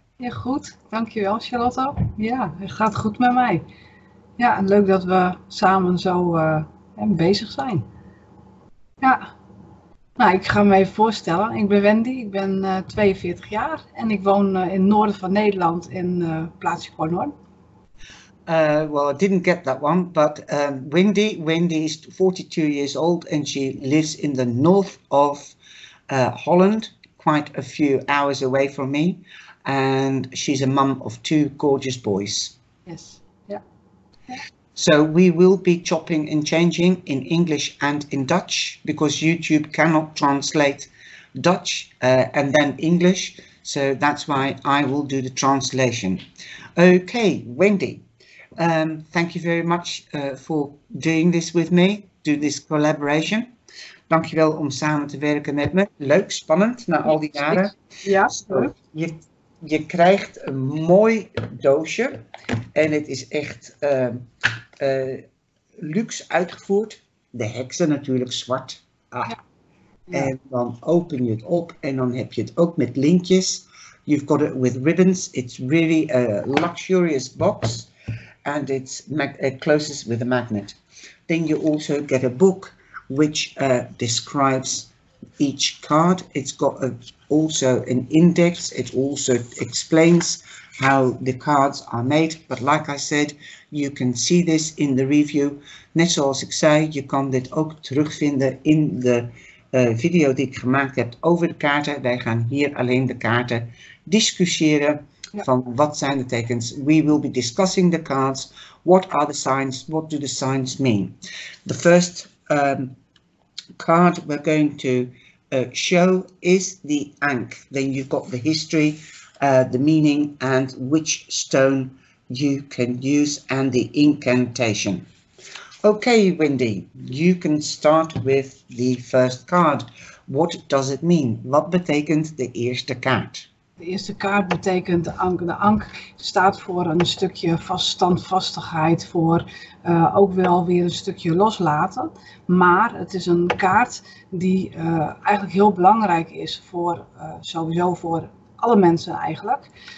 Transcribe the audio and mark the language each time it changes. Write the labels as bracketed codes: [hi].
[nl] Ja, goed. Dankjewel, Charlotte. Ja, het gaat goed met mij. Ja, en leuk dat we samen zo bezig zijn. Ja, nou, ik ga me even voorstellen. Ik ben Wendy, ik ben 42 jaar en ik woon in het noorden van Nederland in plaatsje Pornhorn. [en] I didn't get that one, but Wendy is 42 years old and she lives in the north of Holland, quite a few hours away from me. And she's a mum of two gorgeous boys. Yes. Yeah. So we will be chopping and changing in English and in Dutch because YouTube cannot translate Dutch and then English. So that's why I will do the translation. Okay, Wendy, thank you very much for doing this with me, do this collaboration. [nl] Dankjewel om samen te werken met me. Leuk, spannend, na al die jaren. Ja, leuk. Je krijgt een mooi doosje en het is echt luxe uitgevoerd. De heksen natuurlijk zwart. Ah. Ja. En dan open je het op en dan heb je het ook met lintjes. [en] You've got it with ribbons. It's really a luxurious box and it's closes with a magnet. Then you also get a book which describes each card. It's got also an index. It also explains how the cards are made. But like I said, you can see this in the review. [nl] Net zoals ik zei, je kan dit ook terugvinden in de video die ik gemaakt heb over de kaarten. Wij gaan hier alleen de kaarten discussiëren van wat zijn de tekens. [en] We will be discussing the cards. What are the signs? What do the signs mean? The first card we're going to show is the Ankh. Then you've got the history, the meaning, and which stone you can use, and the incantation. Okay, Wendy, you can start with the first card. What does it mean? [nl] Wat betekent de eerste kaart? De eerste kaart betekent de Ankh. De Ankh staat voor een stukje standvastigheid, voor ook wel weer een stukje loslaten. Maar het is een kaart die eigenlijk heel belangrijk is voor sowieso voor alle mensen eigenlijk.